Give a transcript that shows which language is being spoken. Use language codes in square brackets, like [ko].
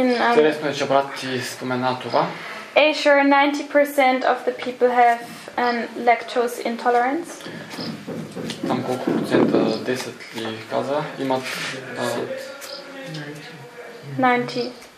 [bg] Интересно е, че брат ти спомена това. [en] Asia, 90% of the people have lactose intolerance. [bg] Там колко процента, 10 ли каза, имат 90.